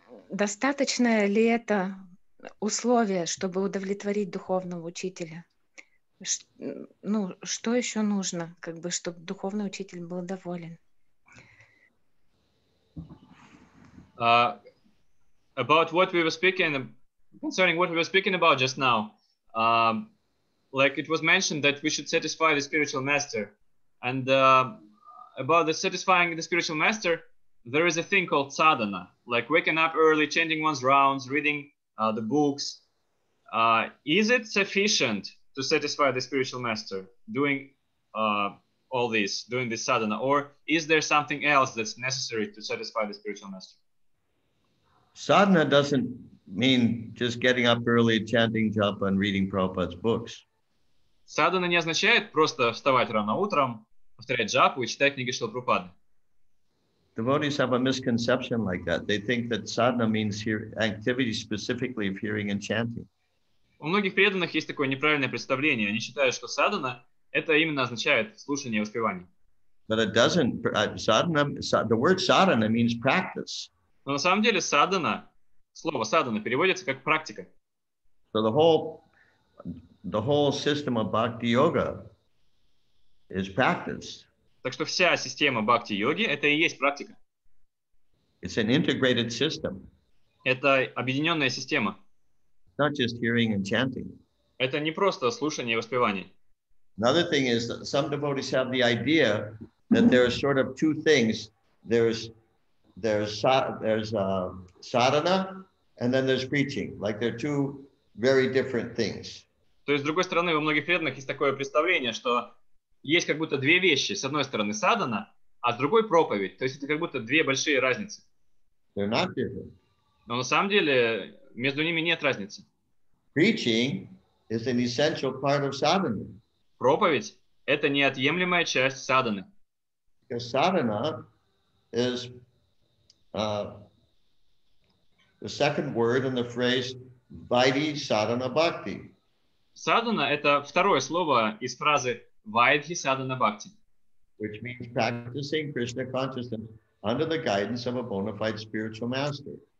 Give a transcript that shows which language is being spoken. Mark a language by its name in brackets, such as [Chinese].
[Russian] Достаточно ли это условие, чтобы удовлетворить духовного учителя? Ну, что еще нужно, как бы, чтобы духовный учитель был доволен? [English] About what we were speaking, concerning what we were speaking about just now, like it was mentioned that we should satisfy the spiritual master. And about the satisfying the spiritual master, there is a thing called sadhana, like waking up early, chanting one's rounds, reading the books. Is it sufficient to satisfy the spiritual master doing all this, doing this sadhana? Or is there something else that's necessary to satisfy the spiritual master? Sadhana doesn't mean just getting up early, chanting japa, and reading Prabhupada's books. [Russian] Sadhana не означает просто вставать рано утром, повторять джапу и читать книги Шрилы Прабхупады. [English] Devotees have a misconception like that. They think that sadhana means activity specifically of hearing and chanting. [Russian] У многих преданных есть такое неправильное представление. Они считают, что sadhana это именно означает слушание и воспевание. [English] But it doesn't. The word sadhana means practice. [Russian] Но на самом деле садхана, слово садхана переводится как практика. [English] So the whole system of bhakti yoga is practice. [Russian] Так что вся система бхакти йоги это и есть практика. [English] It's an integrated system. [Russian] Это объединенная система. [English] It's not just hearing and chanting. [Russian] Это не просто слушание и воспевание. [English] Another thing is that some devotees have the idea that there are sort of two things. There's sadhana, and then there's preaching. Like they're two very different things. [Russian] То есть, с другой стороны, у многих преданных есть такое представление, что есть как будто две вещи. С одной стороны, садхана, а с другой проповедь. То есть это как будто две большие разницы. [English] They're not different. [Russian] Но на самом деле между ними нет разницы. [English] Preaching is an essential part of sadhana. [Russian] Проповедь – это неотъемлемая часть садханы. [English] Because sadhana is the second word in the phrase Vaidhi Sadhana Bhakti. [Russian] Sadhana – это второе слово из фразы Vaidhi Sadhana Bhakti. [English] Which means practicing Krishna consciousness under the guidance of a bona fide spiritual master.